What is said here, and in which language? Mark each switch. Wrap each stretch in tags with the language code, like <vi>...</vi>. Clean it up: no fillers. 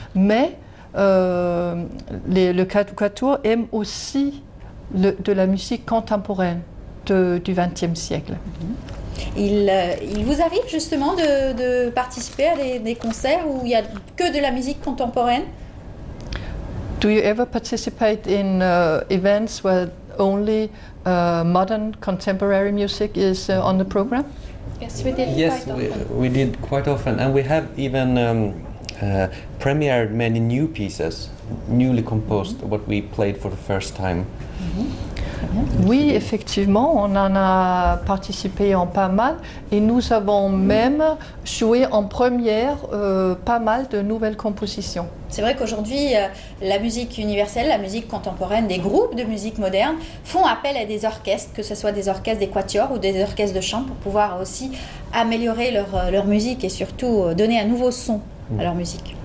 <fr>Mais le quatuor aime aussi de la musique contemporaine du XXe siècle. Mm-hmm. Il vous arrive justement de participer à des concerts où il n'y a que de la musique contemporaine?</fr> <en>Do you ever participate in events where only modern contemporary music is on the program? Yes, we did quite often, and we have even premiered many new pieces, newly composed, mm-hmm. what we played for the first time. Mm-hmm.</en> <fr>Oui, effectivement, on en a participé en pas mal, et nous avons même joué en première pas mal de nouvelles compositions. C'est vrai qu'aujourd'hui, la musique universelle, la musique contemporaine, des groupes de musique moderne font appel à des orchestres, que ce soit des orchestres, des quatuors ou des orchestres de chambre, pour pouvoir aussi améliorer leur musique et surtout donner un nouveau son à leur musique.</fr>